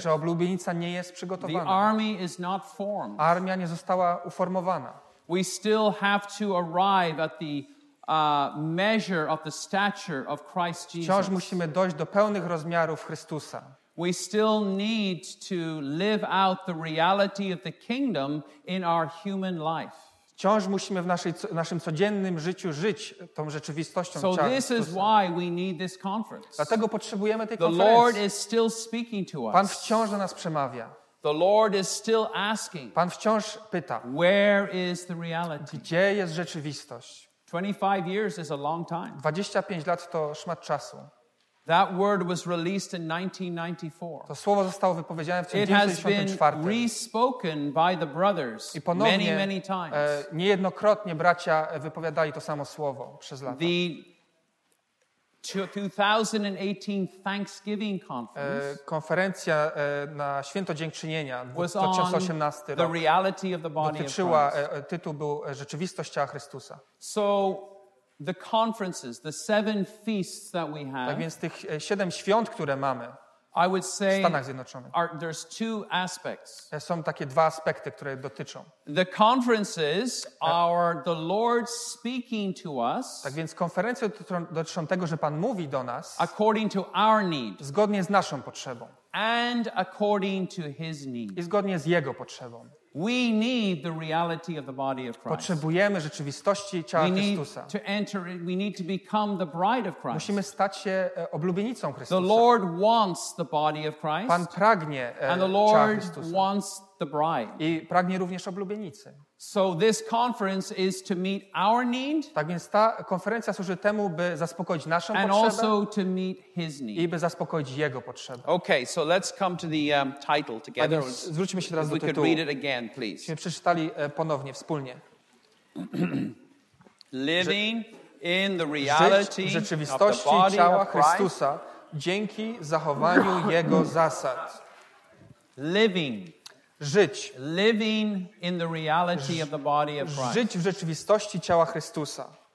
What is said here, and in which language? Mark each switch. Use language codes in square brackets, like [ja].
[pl] Że oblubienica nie jest przygotowana. [en] The army is not formed. [pl] Armia nie została uformowana. [en] We still have to arrive at the measure of the stature of Christ Jesus. [pl] Wciąż musimy dojść do pełnych rozmiarów Chrystusa. [en] We still need to live out the reality of the kingdom in our human life. [pl] Wciąż musimy w naszym codziennym życiu żyć tą rzeczywistością. [en] So this is why we need this conference. [pl] Dlatego potrzebujemy tej [en] the [pl] konferencji. [en] Lord is still speaking to us. [pl] Pan wciąż do nas przemawia. [en] The Lord is still asking. [pl] Pan wciąż pyta. [en] Where is the reality? [pl] Gdzie jest rzeczywistość? [en] 25 years is a long time. [pl] 25 lat to szmat czasu. [en] That word was released in 1994. [pl] To słowo zostało wypowiedziane w 1994. [en] It has been re-spoken by the brothers [pl] i ponownie, [en] many, many times. [pl] Niejednokrotnie bracia wypowiadali to samo słowo przez lata. [en] The 2018 Thanksgiving conference. [pl] Konferencja na święto dziękczynienia 2018 rok. [en] The reality of the body of Christ. [pl] Tytuł był rzeczywistość ciała Chrystusa. [en] So the conferences, the seven feasts that we have. [pl] Tak więc tych siedem świąt, które mamy [en] I would say [pl] w Stanach Zjednoczonych. [en] There's two aspects. [pl] Są takie dwa aspekty, które dotyczą. [en] The conferences are the Lord speaking to us. [pl] Tak więc konferencje dotyczą tego, że Pan mówi do nas [en] according to our need. [pl] Zgodnie z naszą potrzebą. [en] And according to his need. [pl] I zgodnie z jego potrzebą. [en] We need the reality of the body of Christ. [pl] Potrzebujemy rzeczywistości ciała Chrystusa. [en] To enter, we need to become the bride of Christ. [pl] Musimy stać się oblubienicą Chrystusa. [en] The Lord wants the body of Christ. [pl] Pan pragnie ciała Chrystusa. [en] And the Lord wants the bride. [pl] I pragnie również oblubienicy. [en] So this conference is to meet our need. [pl] Tak więc ta konferencja służy temu, by zaspokoić naszą [en] and [pl] potrzebę. [en] Also to meet his need. [pl] I by zaspokoić jego potrzebę. [en] Okay, so let's come to the title together. [pl] Zwróćmy się teraz do tytułu. [en] We could read it again, please. [pl] Byśmy przeczytali ponownie wspólnie. [en] Living in the reality of the body of Christ. [pl] Dzięki zachowaniu jego zasad. [en] Living. [pl] Żyć. [en] Living in the reality of the body of Christ. [pl] Żyć w rzeczywistości ciała Chrystusa.